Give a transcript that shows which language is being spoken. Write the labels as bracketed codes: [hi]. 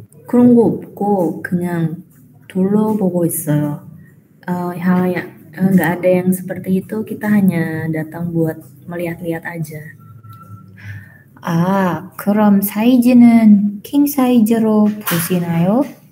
[ko] 그런 거 없고 그냥 둘러보고 있어요. [id] Enggak ada yang seperti itu. Kita hanya datang buat melihat-lihat aja. [ko] 아, 그럼 사이즈는 king size로 보시나요?